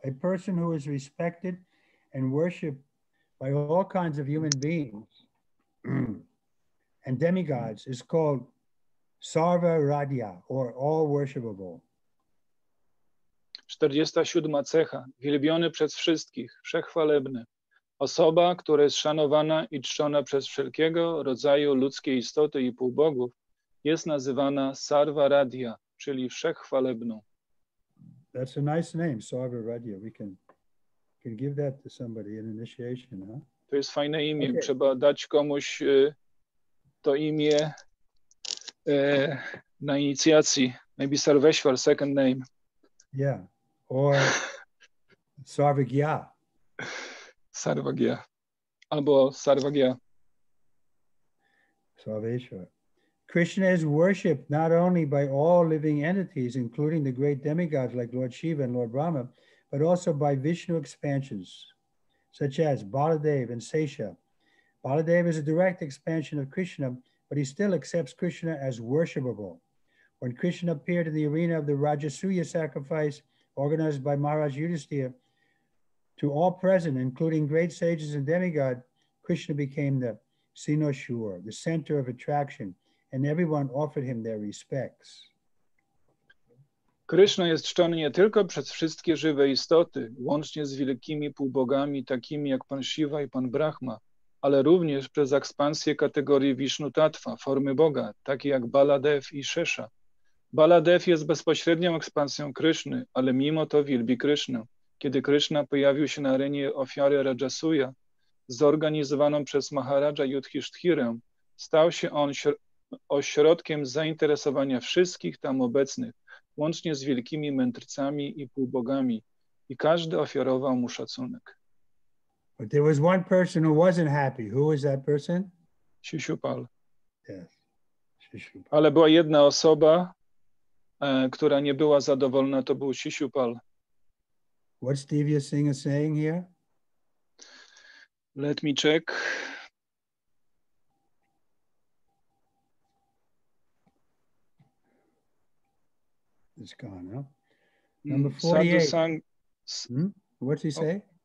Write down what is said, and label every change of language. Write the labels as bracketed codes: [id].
[en] A person who is respected and worshipped by all kinds of human beings and demigods is called Sarva Radhya, or all worshipable. [pl] 47. cecha. Wielbiony przez wszystkich, wszechwalebny. Osoba, która jest szanowana i czczona przez wszelkiego rodzaju ludzkie istoty i półbogów, jest nazywana Sarva Radhya, czyli wszechwalebną. [en] That's a nice name, Sarva Radhya. We can give that to somebody in initiation, huh? [pl] To jest fajne imię. Okay. Trzeba dać komuś to imię na inicjacji. [en] Maybe Sarveshwar, second name. Yeah. Or Sarvagya. [pl] Sarvagya. Albo Sarvagya. [en] Sarveshwar. Krishna is worshipped not only by all living entities, including the great demigods like Lord Shiva and Lord Brahma, but also by Vishnu expansions, such as Baladev and Sesha. Baladev is a direct expansion of Krishna, but he still accepts Krishna as worshipable. When Krishna appeared in the arena of the Rajasuya sacrifice, organized by Maharaj Yudhisthira, to all present, including great sages and demigods, Krishna became the cynosure, the center of attraction, and everyone offered him their respects. [pl] Krishna jest czczony nie tylko przez wszystkie żywe istoty, łącznie z wielkimi półbogami, takimi jak Pan Shiva i Pan Brahma, ale również przez ekspansję kategorii Vishnu-tattva, formy Boga, takie jak Baladev i Shesha. Baladev jest bezpośrednią ekspansją Kryszny, ale mimo to wielbi Krysznę. Kiedy Kryszna pojawił się na arenie ofiary Rajasuya, zorganizowaną przez Maharaja Yudhishthirę, stał się on ośrodkiem zainteresowania wszystkich tam obecnych, łącznie z wielkimi mędrcami i półbogami, i każdy ofiarował mu szacunek. [en] But there was one person who wasn't happy. Who was that person? Shishupal. Yes. Shishupal. [pl] Ale była jedna osoba, która nie była zadowolona, to był Shishupal. [en] What's Divya Singh saying here? Let me check. It's gone, huh? Number 48. What's he say?